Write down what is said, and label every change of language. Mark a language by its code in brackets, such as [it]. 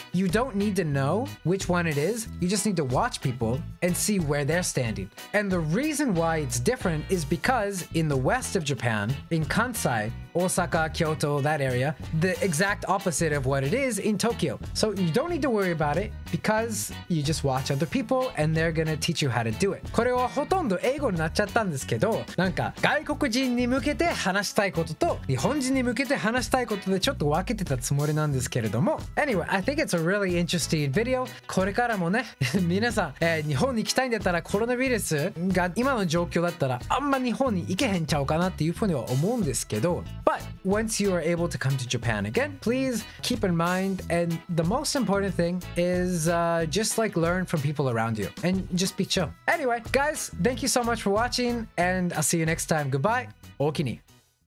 [en] You don't need to know which one it is. You just need to watch people and see where they're standing. And the reason why it's different is because in the west of Japan, in Kansai Osaka, Kyoto, that area. The exact opposite of what it is in Tokyo. So you don't need to worry about it because you just watch other people and they're gonna teach you how to do it. [ja] これはほとんど英語になっちゃったんですけど、なんか外国人に向けて話したいことと日本人に向けて話したいことでちょっと分けてたつもりなんですけれども。 [en] Anyway, I think it's a really interesting video. [ja] これからもね、皆さん、日本に行きたいんだったらコロナウイルスが今の状況だったらあんま日本に行けへんちゃうかなっていうふうには思うんですけど。 [en] But once you are able to come to Japan again, please keep in mind, and the most important thing is just like learn from people around you and just be chill. Anyway, guys, thank you so much for watching and I'll see you next time. Goodbye. [ja] おおきに。